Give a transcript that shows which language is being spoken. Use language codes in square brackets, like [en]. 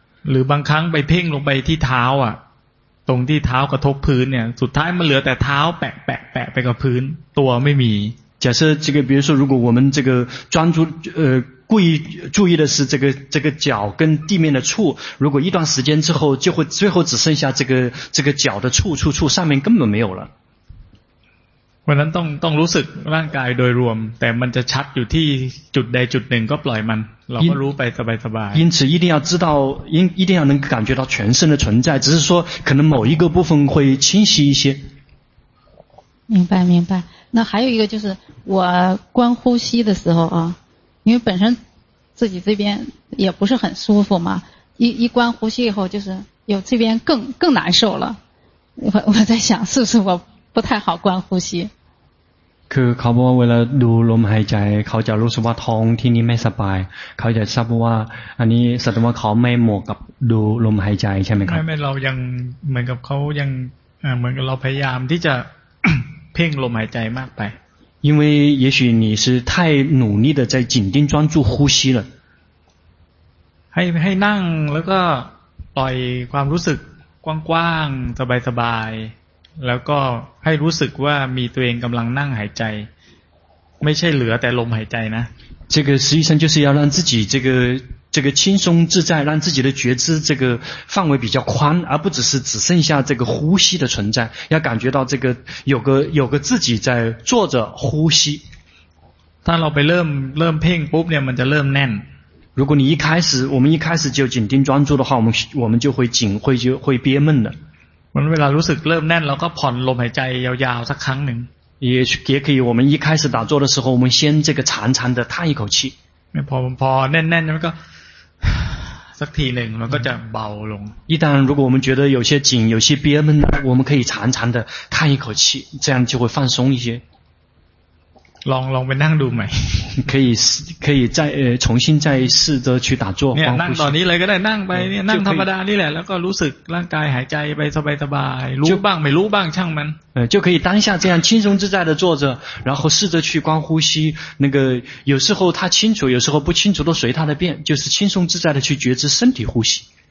[th] หรือบางครั้งไปเพ่งลงไปที่เท้าอ่ะตรงที่เท้ากระทบพื้นเนี่ยสุดท้ายมันเหลือแต่เท้าแปะไปกับพื้นตัวไม่มี [zh] 假设这个比如说如果我们这个专注故意注意的是这个脚跟地面的触如果一段时间之后就会最后只剩下这个脚的触上面根本没有了 [th] เพราะนั้นต้องรู้สึกร่างกายโดยรวมแต่มันจะชัดอยู่ที่จุดใดจุดหนึ่งก็ปล่อยมันเราก็รู้ไปสบาย [zh] ๆ因此一定要知道一定要能感觉到全身的存在只是说可能某一个部分会清晰一些明白那还有一个就是我观呼吸的时候啊因为本身自己这边也不是很舒服嘛一观呼吸以后就是有这边更难受了我在想是不是我不太好观呼吸 [th] คือเขาบอกว่าเวลาดูลมหายใจเขาจะรู้สึกว่าท้องที่นี่ไม่สบายเขาจะทราบว่าอันนี้สัตว์ว่าเขาไม่หมกกับดูลมหายใจใช่ไหมครับ ไม่เรายังเหมือนกับเขายังเหมือนกับเราพยายามที่จะ เพ่งลมหายใจมากไป [zh] 因为也许你是太努力的在紧盯专注呼吸了 [th] ให้นั่งแล้วก็ปล่อยความรู้สึกกว้างๆสบายสบายแล้วก็ให้รู้สึกว่ามีตัวเองกำลังนั่งหายใจไม่ใช่เหลือแต่ลมหายใจนะ [zh] 这个实际上就是要让自己这个轻松自在让自己的觉知这个范围比较宽而不只是只剩下这个呼吸的存在要感觉到这个有个自己在坐着呼吸 [th] ถ้าเราไปเริ่มเพ่งปุ๊บเนี่ยมันจะเริ่มแน่น [zh] 如果我们一开始就紧盯专注的话我们就会紧会憋闷的 [th] มันเวลารู้สึกเริ่มแน่นเราก็ผ่อนลมหายใจยาวๆสักครั้งหนึ่ง [zh] 也可以我们一开始打坐的时候我们先这个长长的叹一口气 [th] พอแน่นๆแล้วก็สักทีหนึ่งมันก็จะเบาลง [zh] 一旦如果我们觉得有些紧有些憋闷我们可以长长的叹一口气这样就会放松一些 [th] ลองไปนั่งดูไหม [zh] 可以再重新再试着去打坐 [th] เนี่ยนั่งตอนนี้เลยก็ได้นั่งไปเนี่ยนั่งธรรมดานี่แหละแล้วก็รู้สึกร่างกายหายใจไปสบายๆรู้บ้างไม่รู้บ้างช่างมัน [zh] 就可以当下这样轻松自在的坐着然后试着去观呼吸那个有时候他清楚有时候不清楚都随他的便就是轻松自在的去觉知身体呼吸